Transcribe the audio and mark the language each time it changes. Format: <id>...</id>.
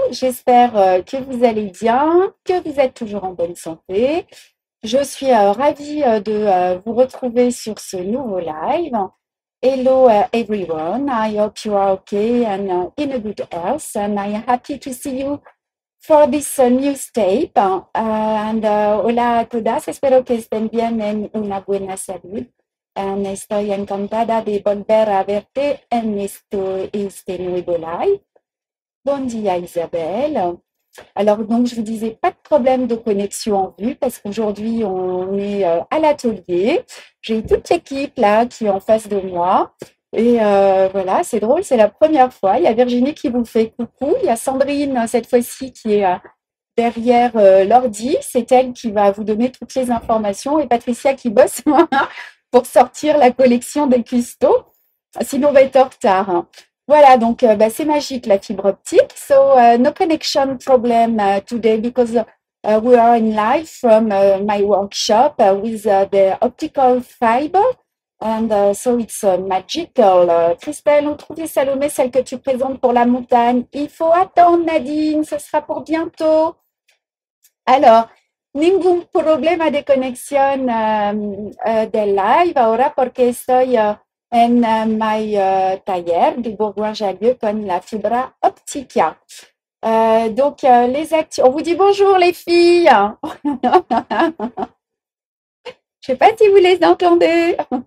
<fr>J'espère que vous allez bien, que vous êtes toujours en bonne santé. Je suis ravie de vous retrouver sur ce nouveau live.</fr> <en>Hello everyone. I hope you are okay and in a good health. And I am happy to see you for this new tape.</en> <es>And hola a todas. Espero que estén bien en una buena salud. And estoy encantada de volver a verte en este nuevo live. Bon dia Isabelle.</es> <fr>Alors donc je vous disais pas de problème de connexion en vue parce qu'aujourd'hui on est à l'atelier. J'ai toute l'équipe là qui est en face de moi. Et voilà, c'est drôle, c'est la première fois. Il y a Virginie qui vous fait coucou. Il y a Sandrine cette fois-ci qui est derrière l'ordi. C'est elle qui va vous donner toutes les informations. Et Patricia qui bosse moi. pour sortir la collection des cuistots, sinon on va être en retard. Voilà, donc bah, c'est magique la fibre optique.</fr> <en>So, no connection problem today because we are in live from my workshop with the optical fiber. And so it's magical.</en> <fr>Christelle, on trouve les Salomé, celle que tu présentes pour la montagne. Il faut attendre Nadine, ce sera pour bientôt.</fr> <es>Alors, ningún problema de conexión del live ahora porque estoy en mi taller du Bourgoin-Jallieu con la fibra óptica.</es> <fr>Donc, les actions. On vous dit bonjour, les filles. Je ne sais pas si vous les entendez.</fr>